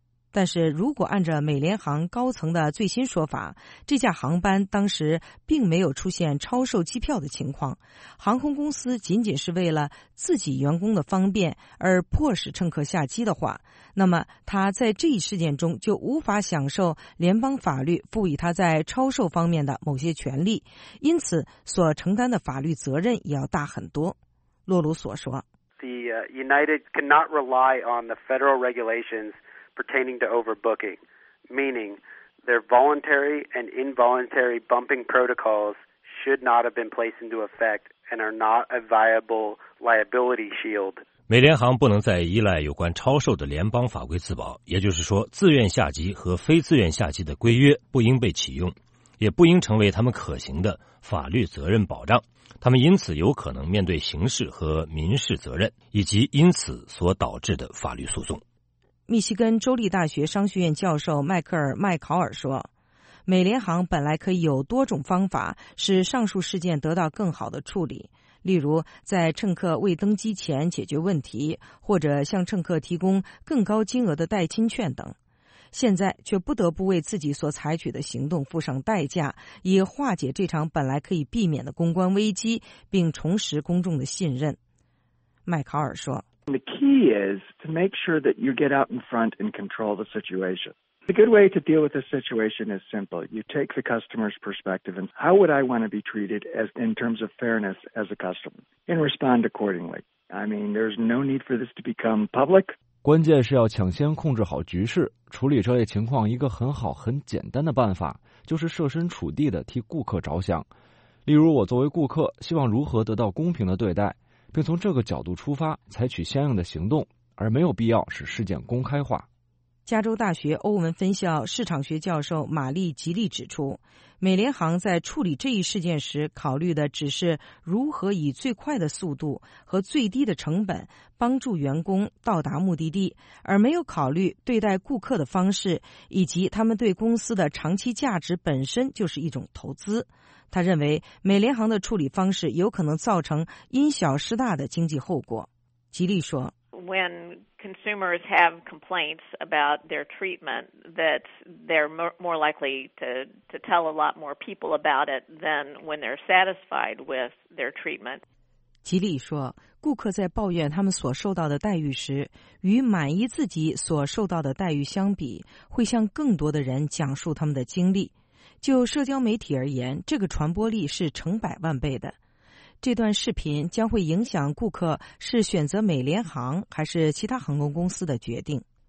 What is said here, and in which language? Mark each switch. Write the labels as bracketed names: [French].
[Chinese] 但是如果按照美联航高层的最新说法，这架航班当时并没有出现超售机票的情况，航空公司仅仅是为了自己员工的方便而迫使乘客下机的话，那么他在这一事件中就无法享受联邦法律赋予他在超售方面的某些权利，因此所承担的法律责任也要大很多。洛鲁所说， [English] The United cannot rely on the federal regulations pertaining to overbooking, meaning their voluntary and involuntary bumping protocols should not have been placed into effect and are not a viable liability shield. [Chinese] 美联航不能再依赖有关超售的联邦法规自保，也就是说，自愿下机和非自愿下机的规约不应被启用，也不应成为他们可行的法律责任保障，他们因此有可能面对刑事和民事责任，以及因此所导致的法律诉讼。密西根州立大学商学院教授迈克尔·麦考尔说，美联航本来可以有多种方法使上述事件得到更好的处理，例如在乘客未登机前解决问题，或者向乘客提供更高金额的代金券等，现在却不得不为自己所采取的行动付上代价，以化解这场本来可以避免的公关危机，并重拾公众的信任。麦考尔说， [English] The key is to make sure that you get out in front and control the situation. The good way to deal with this situation is simple. You take the customer's perspective and how would I want to be treated as in terms of fairness as a customer and respond accordingly. I mean, there's no need for this to become public. [Chinese] 关键是要抢先控制好局势，处理这类情况一个很好很简单的办法就是设身处地的替顾客着想。例如我作为顾客希望如何得到公平的对待，并从这个角度出发采取相应的行动，而没有必要使事件公开化。加州大学欧文分校市场学教授玛丽·吉利指出，美联航在处理这一事件时考虑的只是如何以最快的速度和最低的成本帮助员工到达目的地，而没有考虑对待顾客的方式以及他们对公司的长期价值本身就是一种投资。他认为美联航的处理方式有可能造成因小失大的经济后果。吉利说， [English] When consumers have complaints about their treatment, that they're more likely to tell a lot more people about it than when they're satisfied with their treatment. [Chinese] 吉利说，顾客在抱怨他们所受到的待遇时，与满意自己所受到的待遇相比，会向更多的人讲述他们的经历。就社交媒体而言，这个传播力是成百万倍的。这段视频将会影响顾客是选择美联航还是其他航空公司的决定。